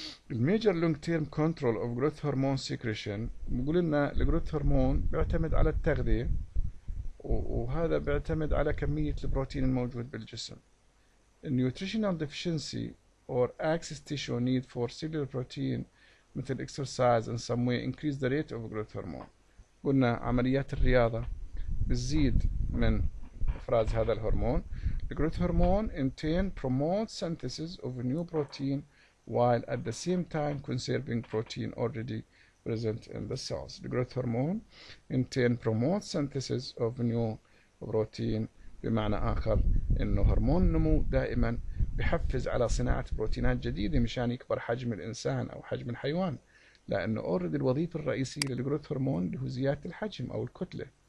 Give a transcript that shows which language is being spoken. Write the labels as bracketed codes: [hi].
[ar] الميجر لونج تيرم كنترول أوف جروث هرمون سيكريشن بقول لنا الجروث هرمون بيعتمد على التغذية وهذا بيعتمد على كمية البروتين الموجود بالجسم. [en] النيوتريشنال deficiency or excess tissue need for cellular protein مثل exercise in some way increase the rate of growth hormone. [ar] قلنا عمليات الرياضة بتزيد من إفراز هذا الهرمون. [en] The growth hormone in turn promotes synthesis of a new protein while at the same time conserving protein already present in the cells. [ar] The growth hormone in turn promotes synthesis of a new protein، بمعنى آخر إنه هرمون النمو دائما بحفز على صناعة بروتينات جديدة مشان يكبر حجم الإنسان أو حجم الحيوان، لأنه أورد الوظيفة الرئيسية للجروث هرمون اللي هو زيادة الحجم أو الكتلة.